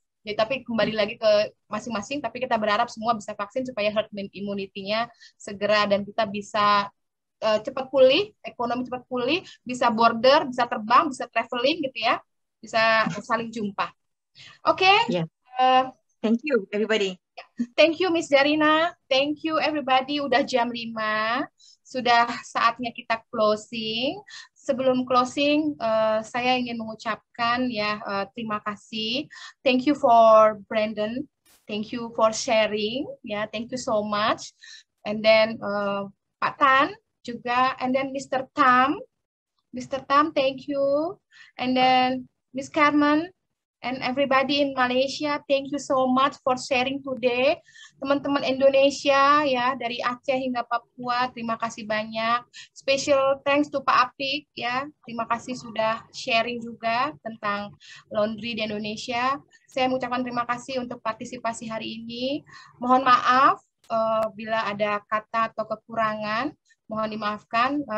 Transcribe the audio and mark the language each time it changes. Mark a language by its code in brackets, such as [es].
[id] Jadi, tapi kembali lagi ke masing-masing, tapi kita berharap semua bisa vaksin supaya herd immunity-nya segera dan kita bisa cepat pulih, ekonomi cepat pulih, bisa border, bisa terbang, bisa traveling gitu ya, bisa saling jumpa. Oke. Okay. [en] Yeah. Thank you everybody. Thank you Miss Zarina, thank you everybody, [id] udah jam 5, sudah saatnya kita closing. Sebelum closing, saya ingin mengucapkan ya terima kasih. [en] Thank you for Brandon, thank you for sharing, ya yeah, thank you so much. And then Pak Tan juga, and then Mr. Tam, thank you. And then Miss Carmen and everybody in Malaysia, thank you so much for sharing today. [id] Teman-teman Indonesia ya, dari Aceh hingga Papua, terima kasih banyak. [en] Special thanks to Pak Apik [id] ya, terima kasih sudah sharing juga tentang laundry di Indonesia. Saya mengucapkan terima kasih untuk partisipasi hari ini. Mohon maaf bila ada kata atau kekurangan, mohon dimaafkan.